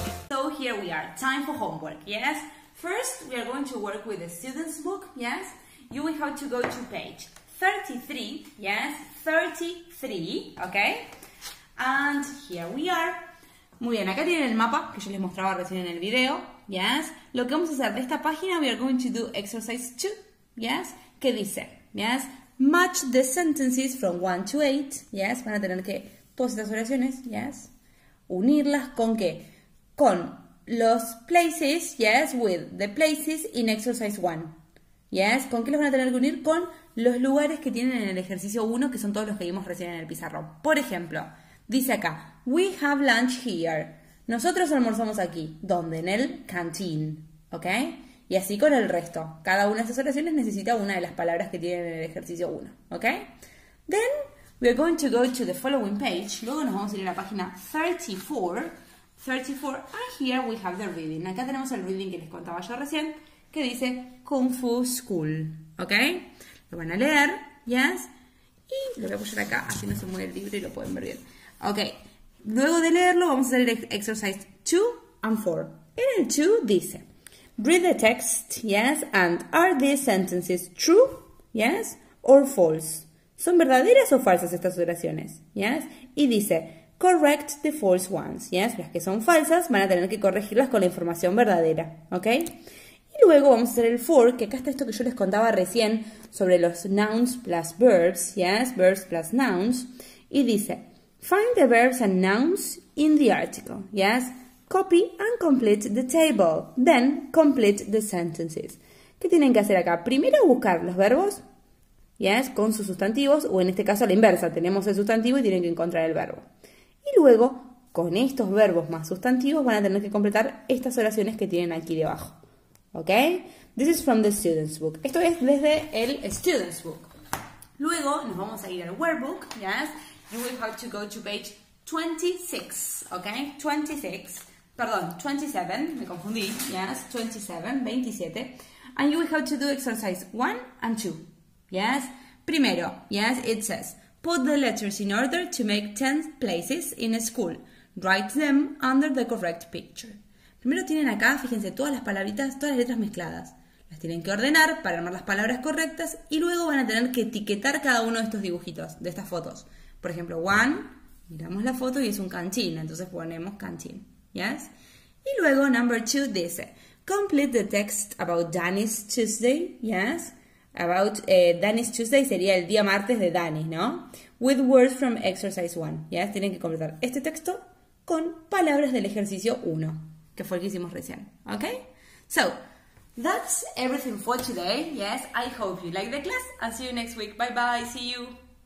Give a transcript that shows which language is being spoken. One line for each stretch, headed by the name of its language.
English: So here we are, time for homework, yes? First, we are going to work with the student's book, yes? You will have to go to page 33, yes? 33, okay? And here we are.
Spanish: Muy bien, acá tienen el mapa que yo les mostraba recién en el video, yes? Lo que vamos a hacer de esta página,
English: we are going to do exercise 2,
Spanish: yes? ¿Qué dice? Yes?
English: Match the sentences from 1 to 8, yes?
Spanish: Van a tener que, todas estas oraciones,
English: yes?
Spanish: Unirlas, ¿con qué? Con los
English: places, yes, with the places in exercise 1, yes.
Spanish: ¿Con qué los van a tener que unir? Con los lugares que tienen en el ejercicio 1, que son todos los que vimos recién en el pizarrón. Por ejemplo, dice acá,
English: we have lunch here.
Spanish: Nosotros almorzamos aquí. ¿Dónde? En el canteen, ¿ok? Y así con el resto. Cada una de esas oraciones necesita una de las palabras que tienen en el ejercicio 1, ¿ok?
English: Then, we are going to go to the following page.
Spanish: Luego nos vamos a ir a la página 34,
English: and here we have the reading.
Spanish: Acá tenemos el reading que les contaba yo recién, que dice Kung Fu School, ¿ok? Lo van a leer, yes? Y lo voy a apoyar acá, así no se mueve el libro y lo pueden ver bien. Ok, luego de leerlo vamos a hacer el exercise 2 and 4. En el 2 dice,
English: read the text,
Spanish: yes?
English: And are these sentences true, yes? Or false?
Spanish: ¿Son verdaderas o falsas estas oraciones, yes? Y dice,
English: correct the false ones,
Spanish: yes? Las que son falsas van a tener que corregirlas con la información verdadera, ¿ok? Y luego vamos a hacer el 4, que acá está esto que yo les contaba recién sobre los nouns plus verbs, yes?
English: Verbs plus nouns.
Spanish: Y dice,
English: find the verbs and nouns in the article, yes? Copy and complete the table, then complete the sentences.
Spanish: ¿Qué tienen que hacer acá? Primero buscar los verbos, yes? Con sus sustantivos, o en este caso la inversa, tenemos el sustantivo y tienen que encontrar el verbo. Y luego, con estos verbos más sustantivos, van a tener que completar estas oraciones que tienen aquí debajo.
English: ¿Ok? This is from the student's book.
Spanish: Esto es desde el student's book. Luego, nos vamos a ir al workbook,
English: yes? You will have to go to page 26, ¿ok?
Spanish: 27, me confundí, yes?
English: 27. And you will have to do exercise 1 and 2, yes? Primero, yes, it says, put the letters in order to make 10 places in a school. Write them under the correct picture.
Spanish: Primero tienen acá, fíjense, todas las palabritas, todas las letras mezcladas. Las tienen que ordenar para armar las palabras correctas y luego van a tener que etiquetar cada uno de estos dibujitos, de estas fotos. Por ejemplo, one, miramos la foto y es un canteen, entonces ponemos canteen.
English: ¿Yes?
Spanish: Y luego,
English: number two dice, complete the text about Danny's Tuesday.
Spanish: ¿Yes?
English: About Danny's Tuesday
Spanish: sería el día martes de Danny, ¿no?
English: With words from exercise 1.
Spanish: ¿Ya? ¿Sí? Tienen que completar este texto con palabras del ejercicio 1, que fue el que hicimos recién.
English: ¿Ok? So, that's everything for today. Yes, I hope you like the class. I'll see you next week. Bye bye. See you.